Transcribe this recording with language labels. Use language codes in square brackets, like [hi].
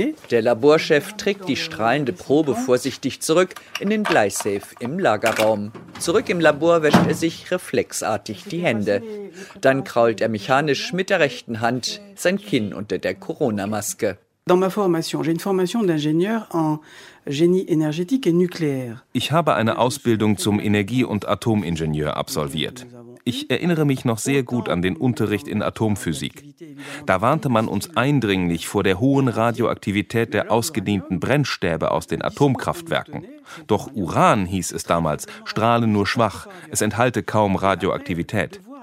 [de] Der Laborchef trägt die strahlende Probe vorsichtig zurück in den Bleisafe im Lagerraum. Zurück im Labor wäscht er sich reflexartig die Hände. Dann krault er mechanisch mit der rechten Hand sein Kinn unter der Corona-Maske. [fr] Dans ma formation, j'ai une formation d'ingénieur en génie énergétique et nucléaire. [de] Ich habe eine Ausbildung zum Energie- und Atomingenieur absolviert. Ich erinnere mich noch sehr gut an den Unterricht in Atomphysik. Da warnte man uns eindringlich vor der hohen Radioaktivität der ausgedehnten Brennstäbe aus den Atomkraftwerken. Doch Uran, hieß es damals, strahle nur schwach, es enthalte kaum Radioaktivität.